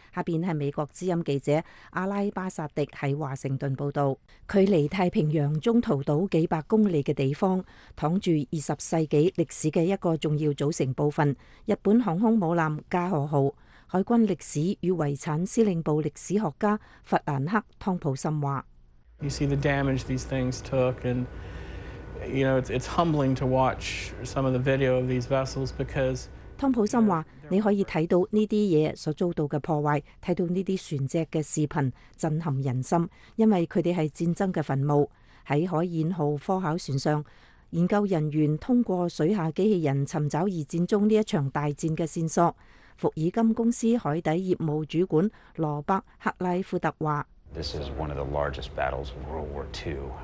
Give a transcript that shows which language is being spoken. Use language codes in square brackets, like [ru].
[zh] 下面是美国之音记者阿拉巴萨迪在华盛顿报道。距离太平洋中途岛几百公里的地方，躺住20世纪历史的一个重要组成部分，日本航空母舰加贺号。海军历史与遗产司令部历史学家弗兰克汤普森说， [en] You see the damage these things took, and you know, it's humbling to watch some of the video of these vessels because [zh] 汤普森说，你可以看到这些东西所遭到的破坏，看到这些船只的视频，震撼人心，因为他们是战争的坟墓。在海燕号科考船上，研究人员通过水下机器人寻找二战中这一场大战的线索。福尔金公司海底业务主管罗伯克拉夫特说， [en] This is one of the largest battles of World War II.